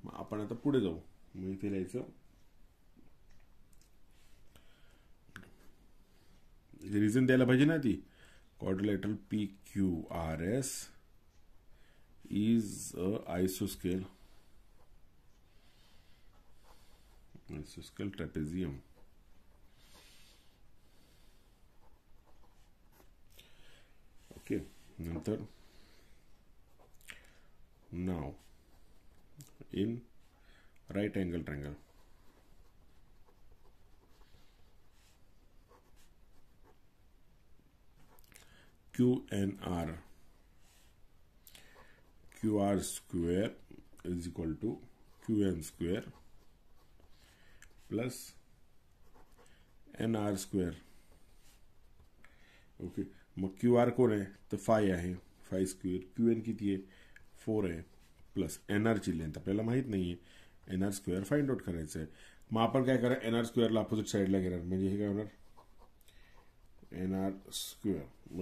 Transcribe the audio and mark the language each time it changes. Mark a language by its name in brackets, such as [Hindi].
[Marathi] आपण आता पुढे जाऊ, मी इथे लिहायचं, रिझन द्यायला पाहिजे ना ती, [English] Quadrilateral P Q R S is a आयसोस्केल, आयसोस्केल trapezium. [Marathi] Okay, नंतर नाव [English] In right angle triangle, Q N R, Q R square is equal to Q N square plus N R square. [Marathi] Okay, मग Q R कोण आहे, तर five आहे, five square. Q N किती आहे, four आहे, plus N R ची length आपल्याला माहीत नाही आहे, N R square find out करायचं आहे. मग आपण काय करा, एन आर स्क्वेअरला अपोजिट साईडला घेणार, म्हणजे हे काय होणार, एन आर स्क्वेअर.